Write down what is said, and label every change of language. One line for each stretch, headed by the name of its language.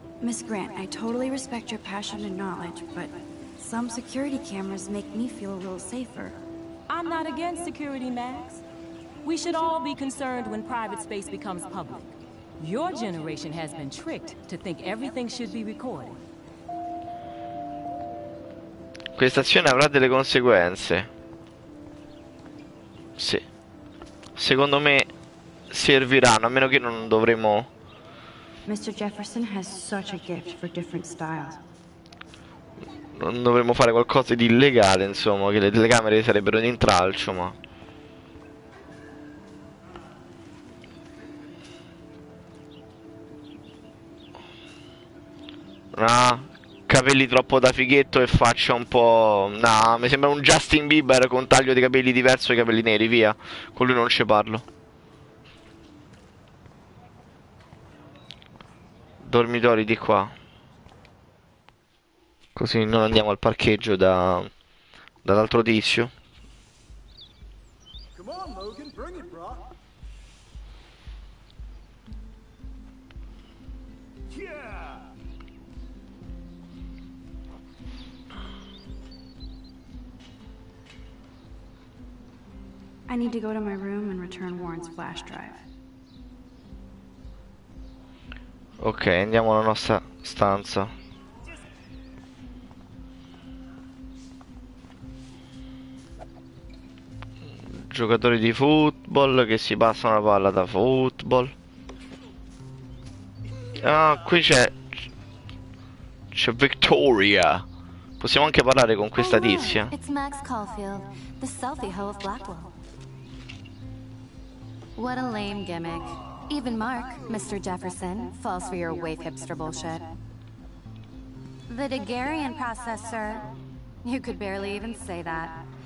English: Miss Grant, I totally respect your passion and knowledge, but some security cameras make me feel a little safer. I'm not against security, Max. We should all be concerned when private space becomes public. Your generation has been tricked to think everything should be recorded.
Italian: Questa azione avrà delle conseguenze. Sì. Secondo me serviranno, a meno che non dovremo.
English: Mr. Jefferson has such a gift for different styles.
Italian: Non dovremmo fare qualcosa di illegale, insomma, che le telecamere sarebbero di intralcio, ma. Nah, capelli troppo da fighetto e faccia un po'. Nah, mi sembra un Justin Bieber con taglio di capelli diverso e capelli neri, via. Con lui non ci parlo. Dormitori di qua. Così non andiamo al parcheggio da dall'altro tizio.
English: Come on, Logan, bring it, bro. I need to go to my room and return Warren's flash drive.
Italian: Ok, andiamo alla nostra stanza. Giocatori di football che si passano la palla da football. Ah, qui c'è. C'è Victoria. Possiamo anche parlare con questa tizia.
English: It's Max Caulfield, the selfie hoe of Blackwell. What a lame gimmick. Even Mark, Mr. Jefferson, falls for your waif hipster bullshit. The Daguerrean process, sir. You could barely even say that.